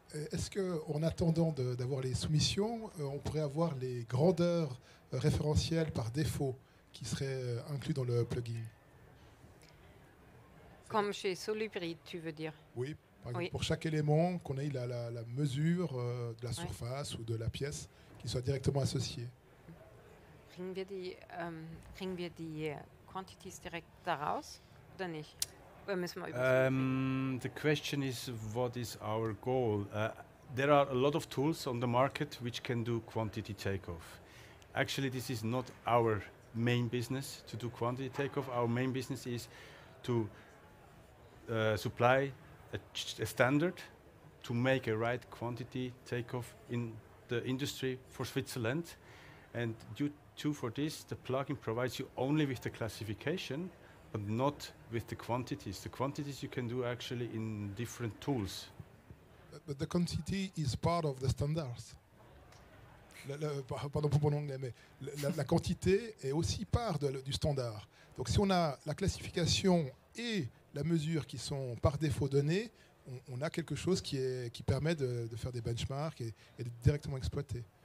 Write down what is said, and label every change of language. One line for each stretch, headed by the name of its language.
French: Est-ce qu'en attendant d'avoir les soumissions, on pourrait avoir les grandeurs référentielles par défaut qui seraient inclus dans le plugin? Comme chez Solubrid, tu veux dire? Oui, par exemple, oui. Pour chaque élément, qu'on ait la mesure de la surface, ouais, ou de la pièce qui soit directement associée.
German: Kriegen wir die quantities direkt daraus oder nicht?
English: The question is, what is our goal? There are a lot of tools on the market which can do quantity takeoff. Actually, this is not our main business to do quantity takeoff. Our main business is to supply a standard to make a right quantity takeoff in the industry for Switzerland. And due to for this, the plugin provides you only with the classification, but not with the quantities. The quantities you can do actually in different tools. But the quantity is part of the standards.
French: Pardon pour mon anglais, mais la quantité est aussi part du standard. Donc si on a la classification et la mesure qui sont par défaut données, on a quelque chose qui permet de faire des benchmarks et d'être directement exploité.